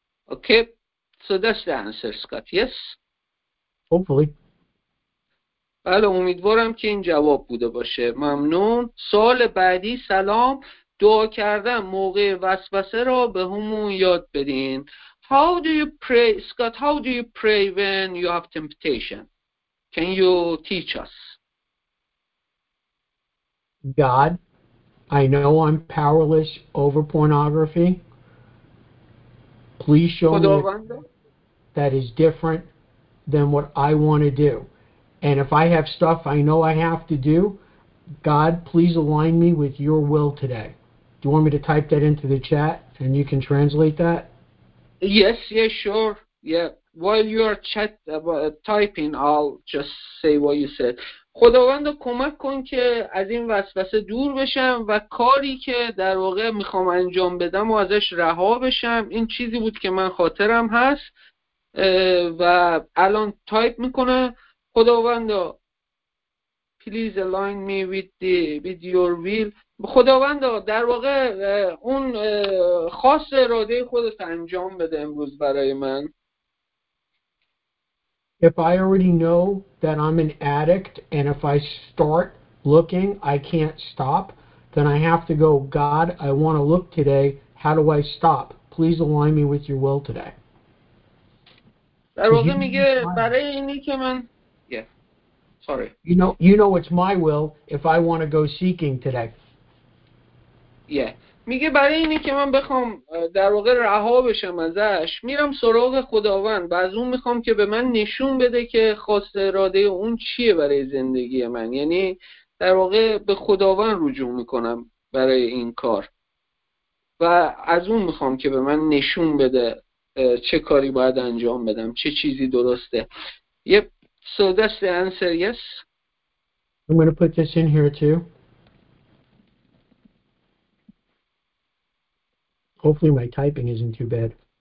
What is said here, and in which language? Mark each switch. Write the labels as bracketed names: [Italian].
[English] Okay, so that's the answer, Scott. Yes, hopefully. [Persian] بله، امیدوارم که این جواب بوده باشه. ممنون. سوال بعدی، سلام، دعا کردن موقع وسوسه را به همون یاد بدین. [English] How do you pray, Scott, how do you pray when you have temptation? Can you teach us? God, I know I'm powerless over pornography. Please show me that is different than what I want to do. And if I have stuff I know I have to do, God, please align me with your will today. Do you want me to type that into the chat and you can translate that? Yes, yeah, sure. Yeah. While you are typing, I'll just say what you said. [Persian] خداوند کمک کن که از این وسوسه دور بشم و کاری که در واقع میخوام انجام بدم و ازش رها بشم. این چیزی بود که من خاطرم هست و الان تایپ میکنه. خداوند، [English] please align me with your will. [Persian] خداوند، در واقع اون خاص اراده خودت انجام بده امروز برای من. [English] If I already know that I'm an addict and if I start looking, I can't stop, then I have to go, God, I want to look today. How do I stop? Please align me with your will today. [Persian] در واقع میگه برای اینی که من [English] You know, it's my will if I want to go seeking today. Yeah. [Persian] میگه برای اینی که من بخوام در واقع رها بشم ازش میرم سراغ خداوند و از اون میخوام که به من نشون بده که خواست اراده اون چیه برای زندگی من یعنی در واقع به خداوند رجوع میکنم برای این کار و از اون میخوام که به من نشون بده چه کاری باید انجام بدم چه چیزی درسته yep. [English] So that's the answer, yes? I'm going to put this in here too. Hopefully my typing isn't too bad.